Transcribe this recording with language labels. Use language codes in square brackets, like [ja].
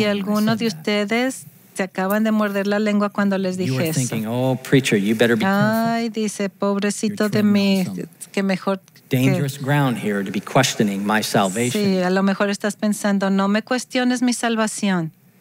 [es] Y algunos de ustedes se acaban de morder la lengua cuando les dije eso. [en] You were thinking, oh, preacher, you better be careful. [es] Ay, dice, pobrecito de mí, que mejor. [en] Dangerous ground here to be questioning my salvation. [es] Sí, a lo mejor estás pensando, no me cuestiones mi salvación.